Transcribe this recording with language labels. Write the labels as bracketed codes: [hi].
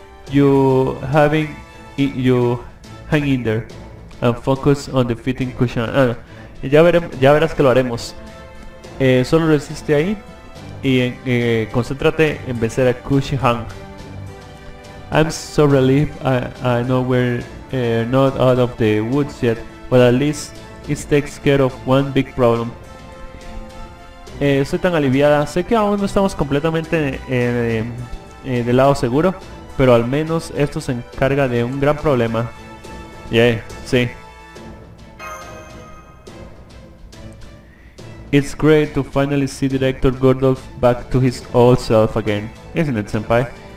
[en] you hang in there and focus on defeating Kushan. [es] Ah, no. Ya verás que lo haremos. Solo resiste ahí y concéntrate en vencer a Kushan. [en] I'm so relieved. I know we're not out of the woods yet, but at least it takes care of one big problem. [es] Estoy tan aliviada. Sé que aún no estamos completamente del lado seguro, pero al menos esto se encarga de un gran problema. [en] Yeah, sí. It's great to finally see Director Gordolf back to his old self again, isn't it, Senpai?